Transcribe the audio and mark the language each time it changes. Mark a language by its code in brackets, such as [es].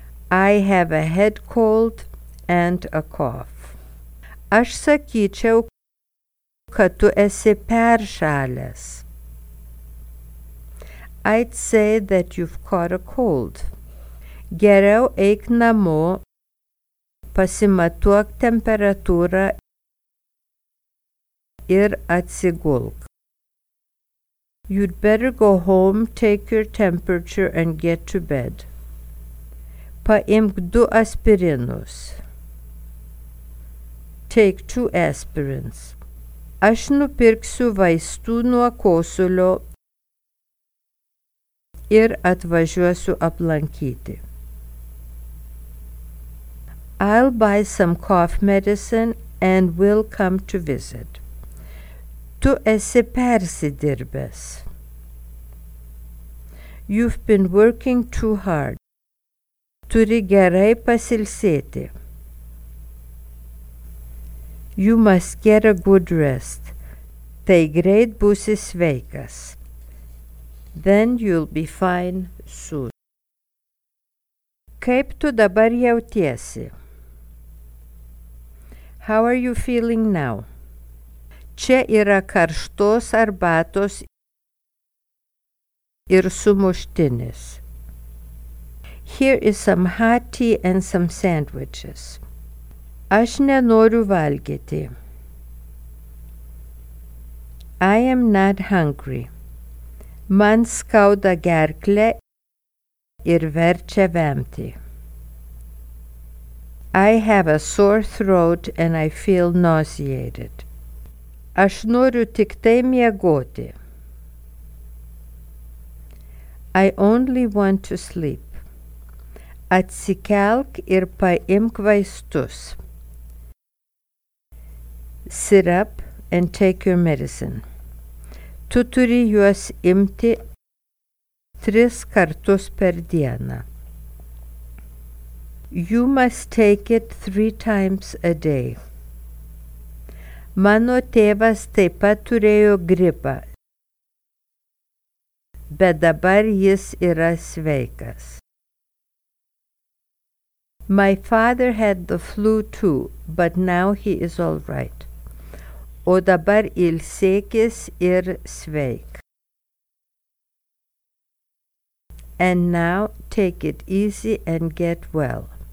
[en] I have a head cold and a cough. [lt] Aš sakyčiau, kad tu esi peršalęs. [en] I'd say that you've caught a cold. [lt] Geriau eik namo, pasimatuok temperatūrą ir atsigulk. [en] You'd better go home, take your temperature and get to bed. [lt] Paimk du aspirinus. [en] Take two aspirins. [lt] Aš nupirksiu vaistų nuo kosulio ir atvažiuosiu aplankyti. [en] I'll buy some cough medicine and will come to visit. [lt] Tu esi persidirbęs. [en] You've been working too hard. [lt] Turi gerai pasilsėti. [en] You must get a good rest. [lt] Tai greit būsi sveikas. [en] Then you'll be fine soon. [lt] Kaip tu dabar jautiesi? [en] How are you feeling now? [lt] Čia yra karštos arbatos ir sumuštinis. [en] Here is some hot tea and some sandwiches. [lt] Aš nenoriu valgyti. [en] I am not hungry. [lt] Man skauda gerklę ir verčia vemti. [en] I have a sore throat and I feel nauseated. [lt] Aš noriu tik tai miegoti. [en] I only want to sleep. [lt] Atsikelk ir paimk vaistus. [en] Sit up and take your medicine. [lt] Tu turi juos imti 3 kartus per dieną. [en] You must take it 3 times a day. [lt] Mano tėvas taip pat turėjo gripą, bet dabar jis yra sveikas. [en] My father had the flu too, but now he is all right. [lt] O dabar ilsėkis ir sveik. [en] And now take it easy and get well.